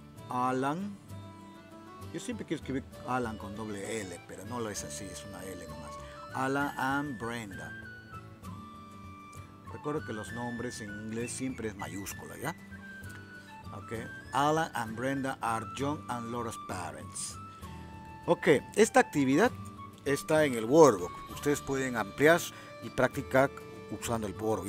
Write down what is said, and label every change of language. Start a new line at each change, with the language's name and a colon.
Spanish: Alan. Yo siempre quiero escribir Alan con doble L, pero no lo es así, es una L nomás. Alan and Brenda. Recuerdo que los nombres en inglés siempre es mayúscula, ¿ya? Ok.
English: Alan and Brenda are John and Laura's parents.
Spanish: Ok, esta actividad está en el workbook. Ustedes pueden ampliar y practicar usando el workbook.